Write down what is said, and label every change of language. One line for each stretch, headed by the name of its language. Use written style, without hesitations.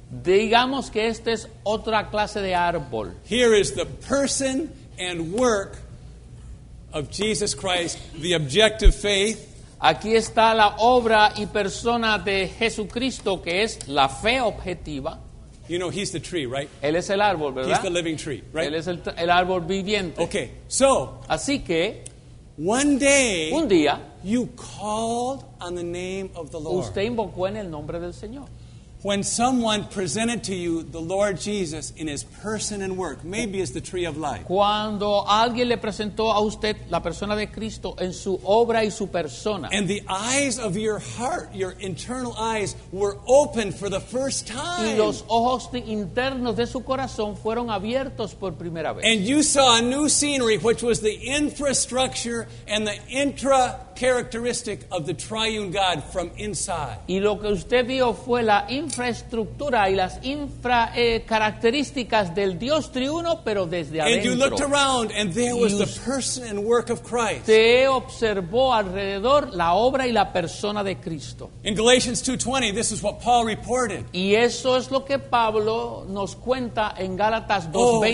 Spanish: Digamos que este es otra clase de árbol.
English: Here is the person and work of Jesus Christ, the objective faith.
Spanish: Aquí está la obra y persona de Jesucristo, que es la fe objetiva.
English: You know, he's the tree, right?
Spanish: Él es el árbol, ¿verdad?
English: He's the living tree, right?
Spanish: Él es el árbol viviente.
English: Okay, so,
Spanish: así que,
English: one day,
Spanish: un día,
English: you called on the name of the Lord.
Spanish: Usted invocó en el nombre del Señor.
English: When someone presented to you the Lord Jesus in his person and work, maybe as the tree of life.
Spanish: Cuando alguien le presentó a usted la persona de Cristo en su obra y su persona.
English: And the eyes of your heart, your internal eyes, were opened for the first time.
Spanish: Y los ojos internos de su corazón fueron abiertos por primera vez.
English: And you saw a new scenery, which was the infrastructure and the intra characteristic of the triune God from inside.
Spanish: Y lo que usted vio fue la infraestructura y las infra características del Dios triuno, pero desde adentro.
English: And you looked around and there was the person and work of Christ.
Spanish: Te observó alrededor la obra y la persona de Cristo.
English: In Galatians 2:20, this is what Paul reported.
Spanish: Y eso es lo que Pablo nos cuenta en Gálatas 2:20.